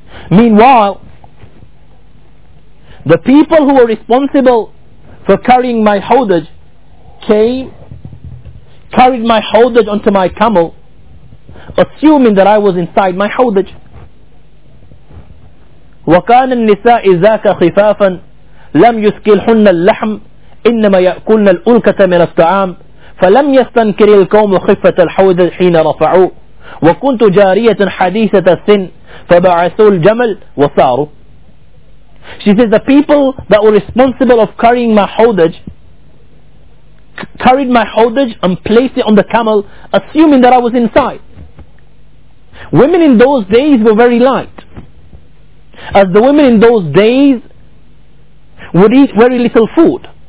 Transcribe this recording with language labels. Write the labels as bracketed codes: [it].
[en] Meanwhile, the people who were responsible for carrying my hawdaj came, carried my hawdaj onto my camel, assuming that I was inside my hawdaj. [ar] وكان النساء ذاك خفافا لم يثقلهن اللحم إنما يأكلن الألكة من الطعام فلم يستنكر القوم خفة الحوض حين رفعوه وكنت جارية حديثة السن فبعثوا الجمل وصاروا. [en] She says, the people that were responsible of carrying my hodaj carried my hodaj and placed it on the camel, assuming that I was inside. Women in those days were very light, as the women in those days would eat very little food.